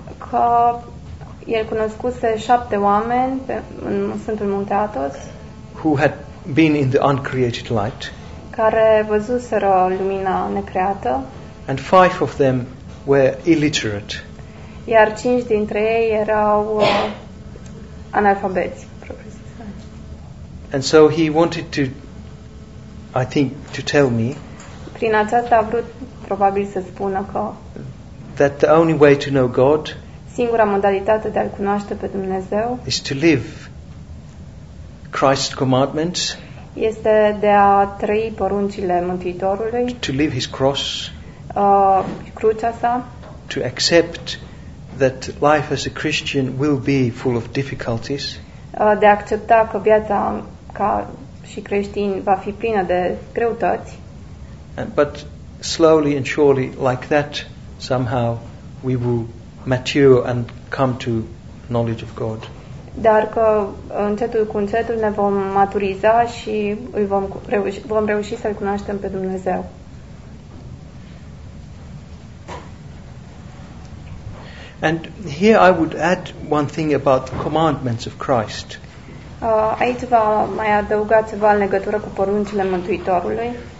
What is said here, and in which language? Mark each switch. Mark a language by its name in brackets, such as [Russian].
[Romanian] că el cunoscuse 7 oameni pe în Sfântul Munte Athos, [English] who had been in the uncreated light, [Romanian] care văzuseră lumina necreată, [English] and 5 of them were illiterate, [Romanian] iar 5 dintre ei erau analfabeți. [English] And so he wanted to, I think, to tell me. [Romanian] Prin aceasta a vrut probabil să spună că. [English] That the only way to know God. [Romanian] Singura modalitate de a-l cunoaște pe Dumnezeu. [English] Is to live Christ's commandments. [Romanian] Este de a trăi poruncile Mântuitorului. [English] To live His cross. [Romanian] Crucea sa. [English] To accept that life as a Christian will be full of difficulties. [Romanian] De a accepta că viața ca și creștin va fi plină de greutăți. [English] But slowly and surely, like that, somehow we will mature and come to knowledge of God. [Romanian] Dar că încetul cu încetul ne vom maturiza și îl vom reuși să-l cunoaștem pe Dumnezeu. [English] And here I would add one thing about the commandments of Christ. [Romanian] Aici v-a mai adăugat ceva în legătură cu poruncile Mântuitorului.